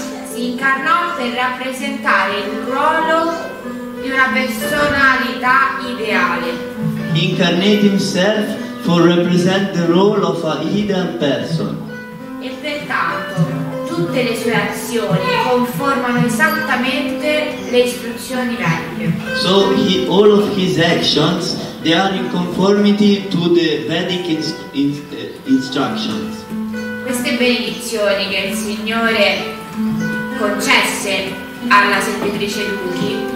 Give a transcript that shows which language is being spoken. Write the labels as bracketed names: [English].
[Italian] Si incarnò per rappresentare il ruolo di una personalità ideale. [English] Incarnate himself for represent the role of a hidden person. [Italian] E pertanto tutte le sue azioni conformano esattamente le istruzioni vedic. [English] So he, all of his actions they are in conformity to the Vedic instructions. [Italian] Queste benedizioni che il Signore concesse alla servitrice Duki.